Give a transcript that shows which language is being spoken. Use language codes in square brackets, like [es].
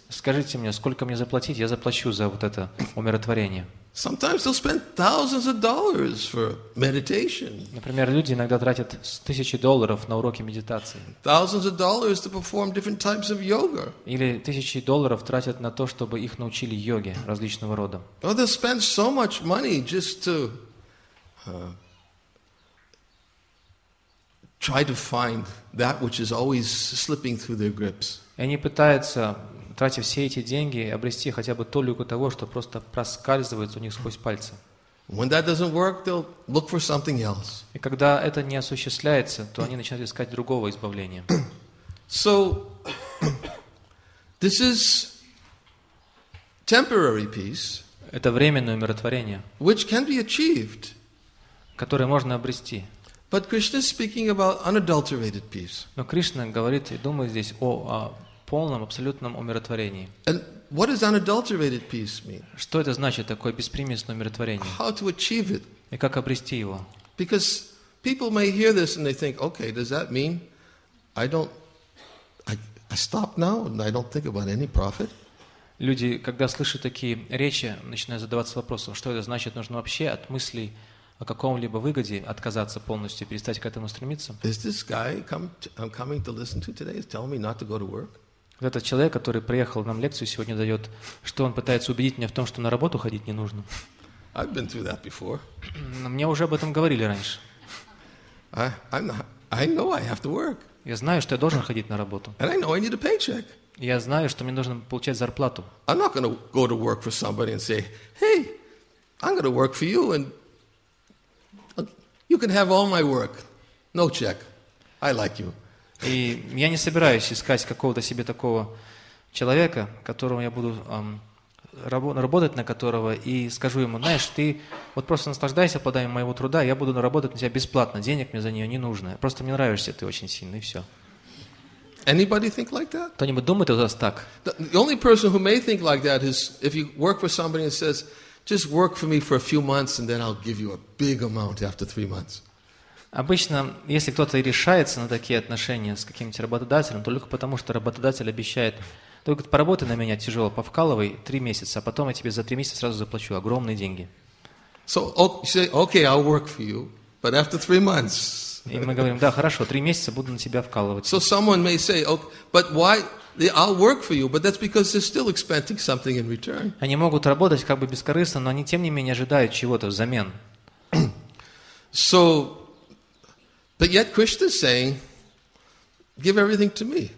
[ru] Скажите мне, сколько мне заплатить? Я заплачу за вот это умиротворение. [en] Sometimes they'll spend thousands of dollars for meditation. [ru] Например, люди иногда тратят тысячи долларов на уроки медитации. [en] Thousands of dollars to perform different types of yoga. [ru] Или тысячи долларов тратят на то, чтобы их научили йоге различного рода. [en] Or they'll spend so much money just to try to find that which is always slipping through their grips. [ru] Они пытаются, тратя все эти деньги, обрести хотя бы толику того, что просто проскальзывает у них сквозь пальцы. [en] When that doesn't work, they'll look for something else. [ru] И когда это не осуществляется, то они начинают искать другого избавления. [en] So, this is temporary peace. [ru] Это временное умиротворение. [en] Which can be achieved. [ru] Которое можно обрести. [en] But Krishna is speaking about unadulterated peace. [ru] Но Кришна говорит и думает здесь о полном, абсолютном умиротворении. [en] And what does unadulterated peace mean? [ru] Что это значит, такое беспримесное умиротворение? [en] How to achieve it? [ru] И как обрести его? [en] Because people may hear this and they think, okay, does that mean I stop now and I don't think about any profit? [ru] Люди, когда слышат такие речи, начинают задаваться вопросом, что это значит, нужно вообще от мыслей о каком-либо выгоде отказаться полностью, перестать к этому стремиться? [en] Is this guy I'm coming to listen to today is telling me not to go to work? [ru] Вот этот человек, который приехал нам лекцию сегодня, дает, что он пытается убедить меня в том, что на работу ходить не нужно. [en] I've been through that before. [ru] Мне уже об этом говорили раньше. [en] I know I have to work. [ru] Я знаю, что я должен ходить на работу. [en] And I know I need a paycheck. [ru] Я знаю, что мне нужно получать зарплату. [en] I'm not going to go to work for somebody and say, hey, I'm going to work for you and you can have all my work. No check. I like you. [ru] И я не собираюсь искать какого-то себе такого человека, которому я буду работать на которого, и скажу ему, знаешь, ты вот просто наслаждайся плодами моего труда, я буду работать на тебя бесплатно, денег мне за нее не нужно. Просто мне нравишься ты очень сильно, и все. [en] Anybody think like that? [ru] Кто-нибудь думает о вас так? [en] The only person who may think like that is if you work for somebody and says, just work for me for a few months, and then I'll give you a big amount after 3 months. [ru] Обычно, если кто-то и решается на такие отношения с каким-нибудь работодателем, только потому, что работодатель обещает, только поработай на меня тяжело, повкалывай 3 месяца, а потом я тебе за 3 месяца сразу заплачу огромные деньги. [en] So, say, okay, I'll work for you, but after 3 months. [ru] И мы говорим, да, хорошо, 3 месяца буду на тебя вкалывать. [en] So someone may say, okay, but why? I'll work for you, but that's because they're still expecting something in return. [ru] Они могут работать как бы бескорыстно, но они тем не менее ожидают чего-то взамен. [en] So, but yet Krishna is saying, give everything to me.